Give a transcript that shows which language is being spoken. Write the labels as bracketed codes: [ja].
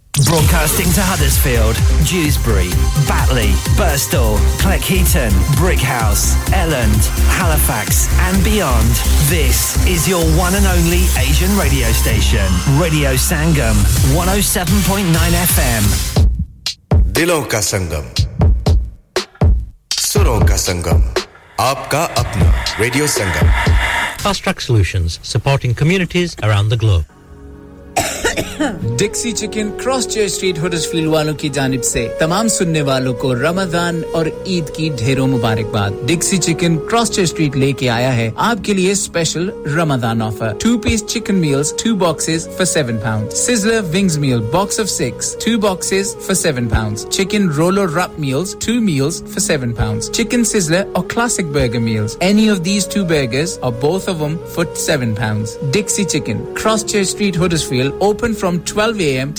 [en] Broadcasting to Huddersfield, Dewsbury, Batley, Birstall, Cleckheaton, Brickhouse, Elland, Halifax and beyond. This is your one and only Asian radio station. Radio Sangam, 107.9 FM. [hi] दिलों का संगम सुरों का संगम आपका अपना radio Sangam [en] Fast Track Solutions, supporting communities around the globe. [hi] Dixie Chicken Cross Church Street Huddersfield वालों की जानिब से तमाम सुनने वालों को रमजान और ईद की ढेरों मुबारकबाद Dixie Chicken Cross Church Street लेके आया है आपके लिए special [en] Ramzan offer 2 piece chicken meals 2 boxes for 7 pound sizzler wings meal box off 6 2 boxes for 7 pound chicken rollo wrap meals 2 meals for 7 pound chicken sizzler और classic burger meals any of these two burgers और both of them for 7 pound Dixie Chicken Cross Church Street Huddersfield Open from 12 a.m.